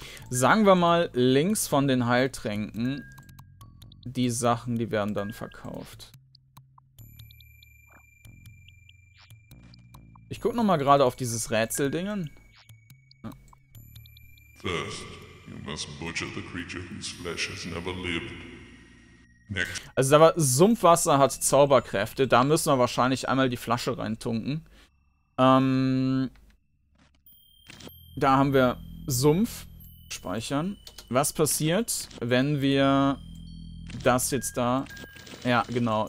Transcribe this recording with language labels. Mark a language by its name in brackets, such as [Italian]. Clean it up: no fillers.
[German] Sagen wir mal links von den Heiltränken, die Sachen, die werden dann verkauft. Ich gucke nochmal gerade auf dieses Rätseldingen. [English] First, you must butcher the creature whose flesh has never lived. Next. [German] Also Sumpfwasser hat Zauberkräfte. Da müssen wir wahrscheinlich einmal die Flasche reintunken. Da haben wir Sumpf. Speichern. Was passiert, wenn wir das jetzt da... Ja, genau.